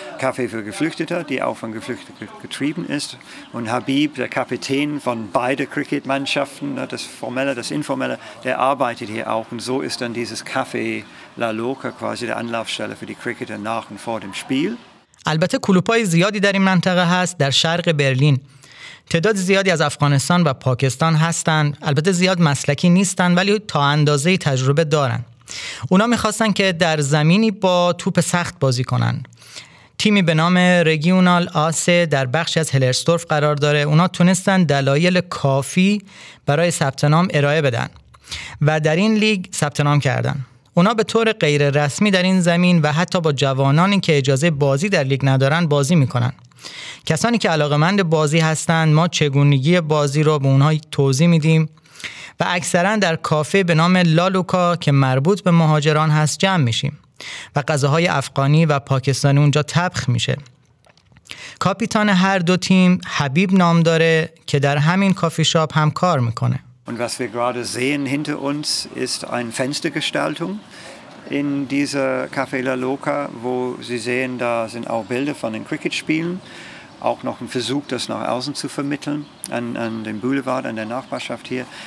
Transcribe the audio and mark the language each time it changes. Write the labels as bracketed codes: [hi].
[de] Kaffee für Geflüchtete, die auch von Geflüchteten getrieben ist. Und Habib, der Kapitän von beiden Cricket-Mannschaften, das Formelle, das Informelle, der arbeitet hier auch. Und so ist dann dieses Café La Loca quasi der Anlaufstelle für die Cricketer nach und vor dem Spiel. [fa] البته کلوپای زیادی در این منطقه هست در شرق برلین. تعداد زیادی از افغانستان و پاکستان هستند. البته زیاد مسلکی نیستند ولی تا اندازه تجربه دارند. اونا میخواستن که در زمینی با توپ سخت بازی کنند. تیمی به نام رگیونال آسه در بخشی از هلرستورف قرار داره. اونا تونستن دلایل کافی برای ثبت نام ارائه بدن و در این لیگ ثبت نام کردن. اونا به طور غیر رسمی در این زمین و حتی با جوانانی که اجازه بازی در لیگ ندارن بازی میکنن. کسانی که علاقمند بازی هستن ما چگونگی بازی رو به اونا توضیح میدیم و اکثرا در کافه به نام لالوکا که مربوط به مهاجران هست جمع میشیم و غذاهای افغانی و پاکستانی اونجا طبخ میشه. کاپیتان هر دو تیم حبیب نام داره که در همین کافی شاپ هم کار میکنه. [de] Und was wir gerade sehen hinter uns ist eine Fenstergestaltung in dieser Café La Loca, wo Sie sehen, da sind auch Bilder von den Cricketspielen, auch noch ein Versuch, das nach außen zu vermitteln, an den Boulevard, an der Nachbarschaft hier.